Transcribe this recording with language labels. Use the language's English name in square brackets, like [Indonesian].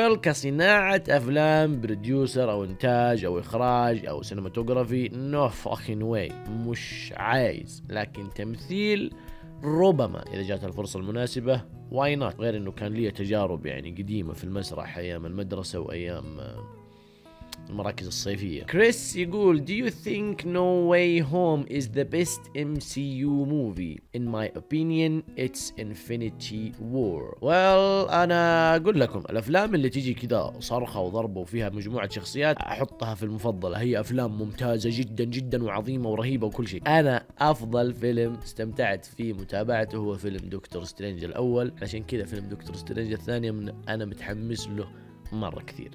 [Arabic] كصناعة أفلام، بروديوسر أو إنتاج أو إخراج أو سينماتوغرافي، [English] no fucking way، [Arabic] مش عايز. لكن تمثيل ربما إذا جات الفرصة المناسبة، [English] why not؟ [Arabic] غير أنه كان لي تجارب يعني قديمة في المسرح أيام المدرسة وأيام المراكز الصيفية. كريس يقول: [English] Do you think No Way Home is the best MCU movie? In my opinion, it's Infinity War. [Arabic] أنا أقول لكم الأفلام اللي تيجي كده صرخة وضربة وفيها مجموعة شخصيات أحطها في المفضلة، هي أفلام ممتازة جدا جدا وعظيمة ورهيبة وكل شيء. أنا أفضل فيلم استمتعت فيه متابعته هو فيلم دكتور سترينج الأول، عشان كده فيلم دكتور سترينج الثاني أنا متحمس له مرة كثير.